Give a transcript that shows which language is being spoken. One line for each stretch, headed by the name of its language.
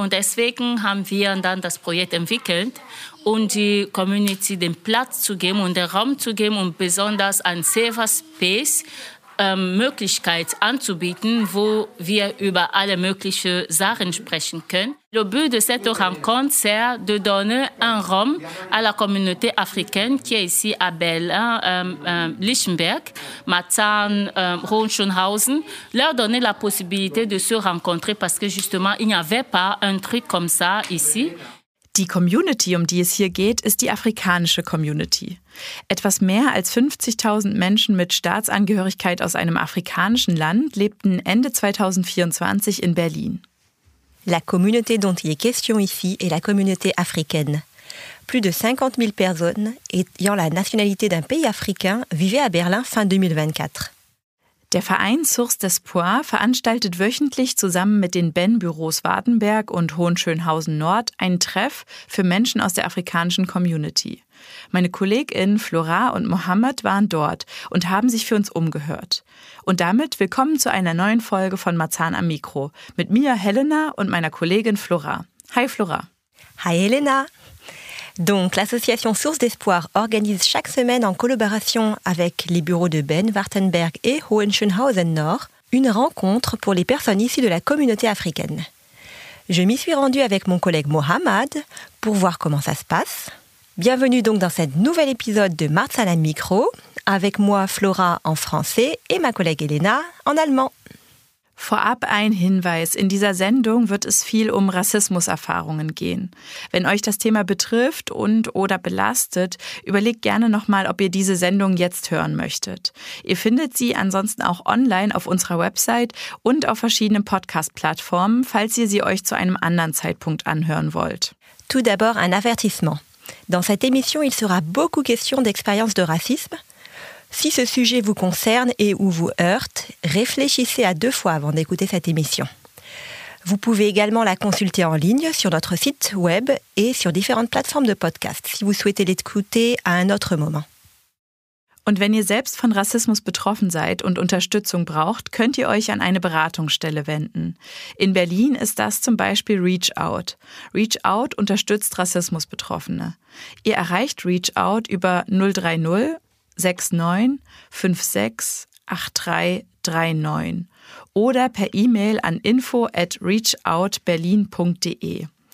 German: Und deswegen haben wir dann das Projekt entwickelt, um die Community den Platz zu geben und den Raum zu geben und besonders ein Safe Space Möglichkeit anzubieten, wo wir über alle möglichen Sachen sprechen können.
French: Le but de cette rencontre, c'est de donner un rhum à la communauté africaine qui est ici à Berlin, Lichtenberg, Marzahn, Hohenschönhausen, leur donner la possibilité de se rencontrer parce que justement, il n'y avait pas un truc comme ça ici.
German: Die Community, um die es hier geht, ist die afrikanische Community. Etwas mehr als 50.000 Menschen mit Staatsangehörigkeit aus einem afrikanischen Land lebten Ende 2024 in Berlin.
French: La communauté dont il est question ici est la communauté africaine. Plus de 50 000 personnes ayant la nationalité d'un pays africain vivaient à Berlin fin 2024.
German: Der Verein Source d'Espoir veranstaltet wöchentlich zusammen mit den Ben-Büros Wartenberg und Hohenschönhausen Nord einen Treff für Menschen aus der afrikanischen Community. Meine KollegInnen Flora und Mohammed waren dort und haben sich für uns umgehört. Und damit willkommen zu einer neuen Folge von Marzahn am Mikro mit mir, Helena, und meiner Kollegin Flora. Hi Flora. Hi Helena.
French: Donc, l'association Source d'Espoir organise chaque semaine en collaboration avec les bureaux de Ben, Wartenberg et Hohenschönhausen Nord une rencontre pour les personnes issues de la communauté africaine. Je m'y suis rendue avec mon collègue Mohamed pour voir comment ça se passe. Bienvenue donc dans cet nouvel épisode de Marzahn am Mikro, avec moi Flora en français et ma collègue Elena en allemand.
German: Vorab ein Hinweis, in dieser Sendung wird es viel um Rassismuserfahrungen gehen. Wenn euch das Thema betrifft und oder belastet, überlegt gerne nochmal, ob ihr diese Sendung jetzt hören möchtet. Ihr findet sie ansonsten auch online auf unserer Website und auf verschiedenen Podcast-Plattformen, falls ihr sie euch zu einem anderen Zeitpunkt anhören wollt.
French: Tout d'abord un avertissement. Dans cette émission, il sera beaucoup question d'expérience de racisme. Si ce sujet vous concerne et ou vous heurte, réfléchissez à deux fois avant d'écouter cette émission. Vous pouvez également la consulter en ligne sur notre site web et sur différentes plateformes de podcast si vous souhaitez l'écouter à un autre moment.
German: Und wenn ihr selbst von Rassismus betroffen seid und Unterstützung braucht, könnt ihr euch an eine Beratungsstelle wenden. In Berlin ist das zum Beispiel Reach Out. Reach Out unterstützt Rassismusbetroffene. Ihr erreicht Reach Out über 030 69568339 oder per E-Mail an info@reachoutberlin.de.